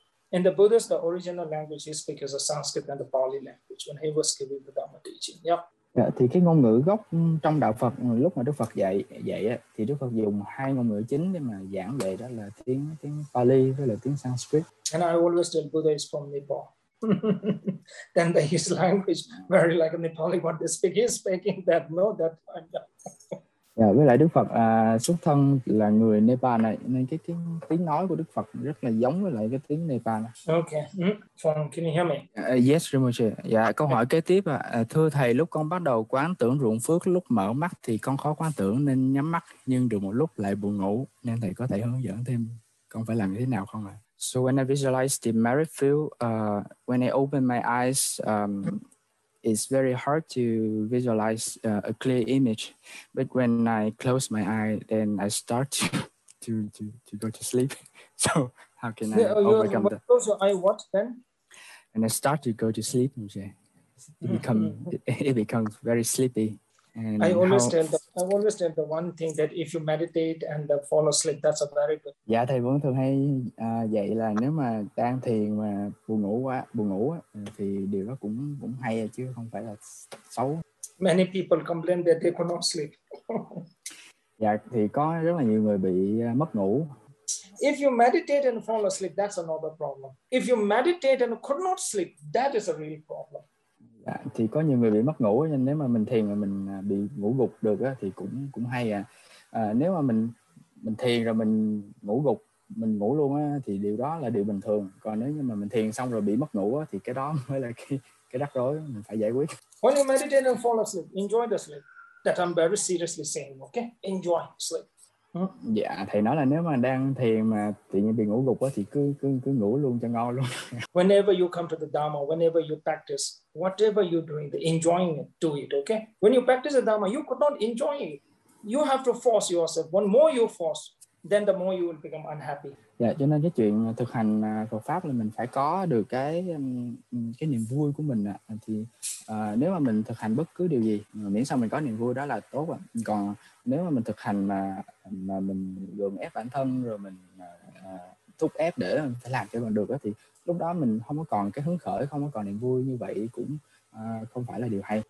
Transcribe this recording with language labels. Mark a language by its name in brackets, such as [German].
[English] In the Buddhist, the original language he speaks is the Sanskrit and the Pali language when he was giving the Dharma teaching. Yep. [Vietnamese] Dạ, thì cái ngôn ngữ gốc trong đạo Phật lúc mà Đức Phật dạy thì Đức Phật dùng hai ngôn ngữ chính để mà giảng dạy, đó là tiếng Pali với là tiếng Sanskrit. [English] And I always tell Buddha is from Nepal. Then his language very like a Nepali what they speak. He's speaking that, no, that. [Vietnamese] Dạ, với lại Đức Phật xuất thân là người Nepal này nên cái tiếng nói của Đức Phật rất là giống với lại cái tiếng Nepal này. [English] Okay, Phong, can you hear me? Yes, [Vietnamese] Rinpoche. Dạ, câu hỏi kế tiếp ạ. Thưa thầy, lúc con bắt đầu quán tưởng ruộng phước, lúc mở mắt thì con khó quán tưởng nên nhắm mắt, nhưng được một lúc lại buồn ngủ, nên thầy có thể hướng dẫn thêm con phải làm như thế nào không ạ? [English] So when I visualize the merit field, when I open my eyes, it's very hard to visualize a clear image. But when I close my eye, then I start to go to sleep. So how can I overcome that? Close your eye, what then? And I start to go to sleep. It becomes very sleepy. And I always tell the one thing that if you meditate and fall asleep, that's a very good. [Vietnamese] Yeah, thầy vẫn thường hay dạy là nếu mà đang thiền mà buồn ngủ á thì điều đó cũng hay chứ không phải là xấu. [English] Many people complain that they cannot sleep. [Vietnamese] Dạ, thì có rất là nhiều người bị mất ngủ. [English] If you meditate and fall asleep, that's another problem. If you meditate and could not sleep, that is a real problem. [Vietnamese] À, thì có nhiều người bị mất ngủ nhưng nếu mà mình thiền mà mình bị ngủ gục được á, thì cũng hay à. À nếu mà mình thiền rồi mình ngủ gục mình ngủ luôn á, thì điều đó là điều bình thường, còn nếu như mà mình thiền xong rồi bị mất ngủ á, thì cái đó mới là cái rắc rối mình phải giải quyết. [English] When you meditate and fall asleep, enjoy the sleep that I'm very seriously saying, okay, enjoy sleep. [Vietnamese] Dạ, thầy nói là nếu mà đang thiền mà tự nhiên bị ngủ gục á thì cứ ngủ luôn cho ngon luôn. [English] Whenever you come to the Dharma, whenever you practice, whatever you're doing, the enjoying it, do it, okay? When you practice the Dharma, you could not enjoy it. You have to force yourself. One more you force, then the more you will become unhappy. [Vietnamese] Dạ, cho nên cái chuyện thực hành Phật pháp là mình phải có được cái niềm vui của mình ạ. À. Thì nếu mà mình thực hành bất cứ điều gì miễn sao mình có niềm vui đó là tốt ạ. Còn nếu mà mình thực hành mà mình gượng ép bản thân rồi mình thúc ép để phải làm cho bằng được đó, thì lúc đó mình không có còn cái hứng khởi, không có còn niềm vui, như vậy cũng không phải là điều hay.